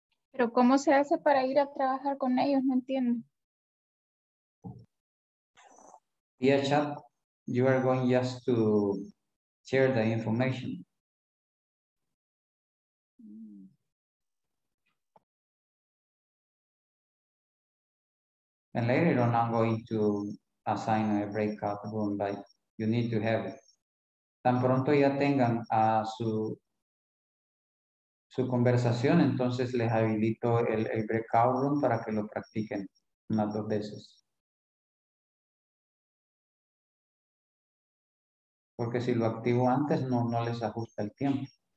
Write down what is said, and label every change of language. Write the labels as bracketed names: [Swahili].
[Spanish] Pero ¿cómo se hace para ir a trabajar con ellos? No entiendo. [English] Yeah, chat, you are going just to share the information. And later on, I'm going to assign a breakout room, but you need to have it. [Spanish] Tan pronto ya tengan a su conversación, entonces les habilito el breakout room para que lo practiquen unas dos veces. Porque si lo activo antes, no les ajusta el tiempo.